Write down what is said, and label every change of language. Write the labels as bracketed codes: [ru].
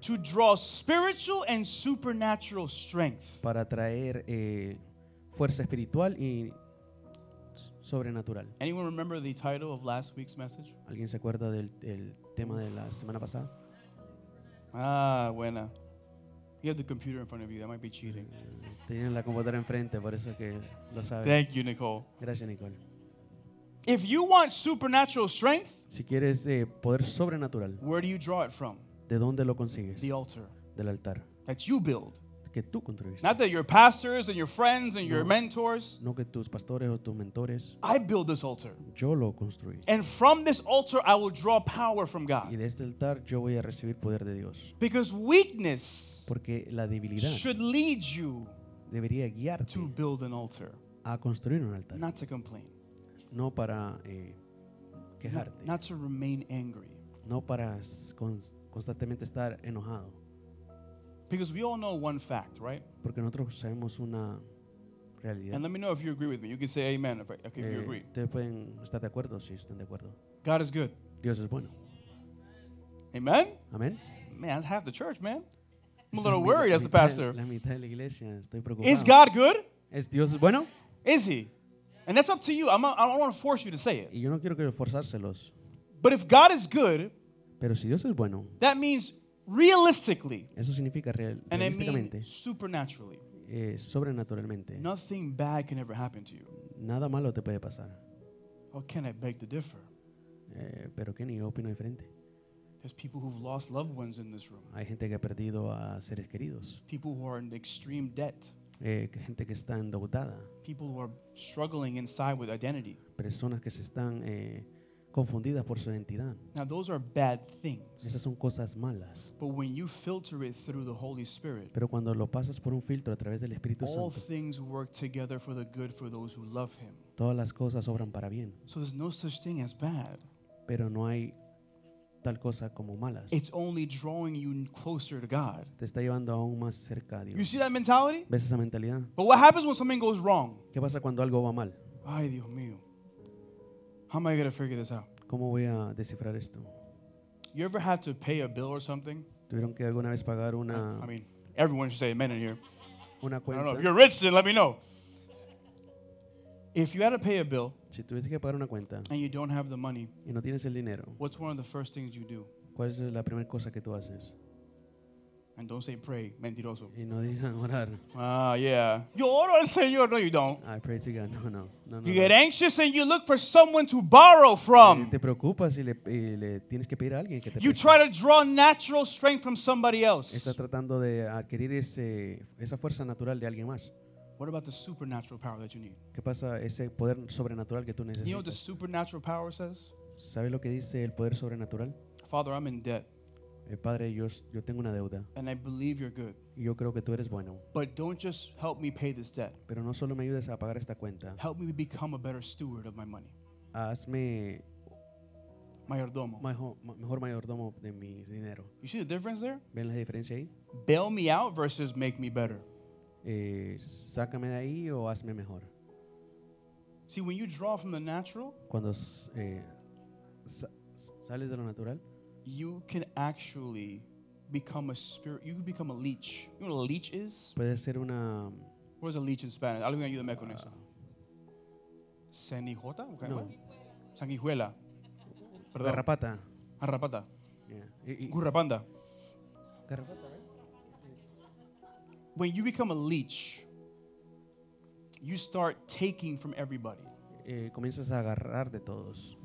[en] to draw spiritual and supernatural strength, [es] para traer fuerza espiritual y sobrenatural. [en] Anyone remember the title of last week's message? [es] ¿Alguien se acuerda del tema de la semana pasada? Ah, buena. [en] You have the computer in front of you. That might be cheating. [es] Tienen la computadora enfrente, por eso que lo saben. [en] Thank you, Nicole. [es] Gracias, Nicole. [en] If you want supernatural strength, [es] si quieres poder sobrenatural, [en] where do you draw it from? [es] ¿De dónde lo consigues? [en] The altar. [es] Del altar. [en] That you build. [es] Que tú construyes. [en] Not that your pastors and your friends and your mentors. [es] No que tus pastores o tus mentores. [en] I build this altar. [es] Yo lo construí. [en] And from this altar, I will draw power from God. [es] Y de este altar yo voy a recibir poder de Dios. [en] Because weakness, [es] porque la debilidad, [en] should lead you, [es] debería guiarte, [en] to build an altar, [es] a construir un altar. [en] Not to complain. [es] No para quejarte. [en] Not to remain angry. [es] No para constantemente estar enojado. [en] Because we all know one fact, right? [es] Porque nosotros sabemos una realidad. [en] And let me know if you agree with me. You can say amen if, okay, if you agree. [es] Ustedes pueden estar de acuerdo si están de acuerdo. [en] God is good. [es] Dios es bueno. [en] Amen. [es] Amen. [en] Man, that's half the church, man. I'm a little worried as the pastor. [es] La mitad de la iglesia. Estoy preocupado. [en] Is God good? [es] ¿Es Dios bueno? [en] Is he? And that's up to you. I don't want to force you to say it. [es] Y yo no quiero que forzárselos. [en] But if God is good, [es] pero si Dios es bueno, [en] that means realistically. [es] Eso significa realísticamente. [en] Supernaturally. [es] Sobrenaturalmente. [en] Nothing bad can ever happen to you. [es] Nada malo te puede pasar. [en] Or can I beg to differ? [es] Pero qué ni opino diferente. [en] There's people who've lost loved ones in this room. [es] Hay gente que ha perdido a seres queridos. [en] People who are in extreme debt. [es] Gente que está endeudada. [en] People who are struggling inside with identity. [es] Personas que se están confundidas por su identidad. [en] Now those are bad things. [es] Esas son cosas malas. [en] But when you filter it through the Holy Spirit. [es] Pero cuando lo pasas por un filtro a través del Espíritu Santo. [en] All things work together for the good for those who love Him. [es] Todas las cosas obran para bien. [en] So there's no such thing as bad. [es] Pero no hay tal cosa como malas. [en] It's only drawing you closer to God. [es] Te está llevando aún más cerca a Dios. [en] You see that mentality? [es] ¿Ves esa mentalidad? [en] But what happens when something goes wrong? [es] ¿Qué pasa cuando algo va mal? Ay, Dios mío. [en] How am I going to figure this out? [es] ¿Cómo voy a descifrar esto? [en] You ever have to pay a bill or something? [es] ¿Tuvieron que alguna vez pagar una? [en] I mean, everyone should say amen in here. [es] Una cuenta. [en] I don't know. If you're rich, then let me know. If you had to pay a bill, [es] si tuviese que pagar una cuenta, [en] and you don't have the money, [es] y no tienes el dinero, [en] what's one of the first things you do? [es] ¿Cuál es la primera cosa que tú haces? [en] And don't say pray, mentiroso. [es] Y no digan orar. [en] Ah, yeah. [es] Yo oro al Señor. [en] No, you don't. I pray to God. No. You get anxious and you look for someone to borrow from. [es] Te preocupas y le tienes que pedir a alguien que te. [en] You try to draw natural strength from somebody else. [es] Estás tratando de adquirir esa fuerza natural de alguien más. [en] What about the supernatural power that you need? [es] ¿Qué pasa ese poder sobrenatural que tú necesitas? [en] You know what the supernatural power says? [es] ¿Sabes lo que dice el poder sobrenatural? [en] Father, I'm in debt. [es] Padre, yo tengo una deuda. [en] And I believe you're good. [es] Y yo creo que tú eres bueno. [en] But don't just help me pay this debt. [es] Pero no solo me ayudes a pagar esta cuenta. [en] Help me become a better steward of my money. [es] Hazme mayordomo. Mejor mayordomo de mi dinero. [en] You see the difference there? [es] ¿Ven la diferencia ahí? [en] Bail me out versus make me better. [es] Sácame de ahí o hazme mejor. [en] See, when you draw from the natural, [es] cuando sales de lo natural, [en] you can actually become a spirit. You can become a leech. You know what a leech is? [es] Puede ser una. [en] What is a leech in Spanish? [es] Alguien ayúdame con eso. Cenijota? Okay. No. Sanguijuela. Perdón. Garrapata. Garrapata. [en] Yeah. Gurrapanda. [es] Garrapata. [en] When you become a leech, you start taking from everybody. [es] Comienzas a agarrar de todos.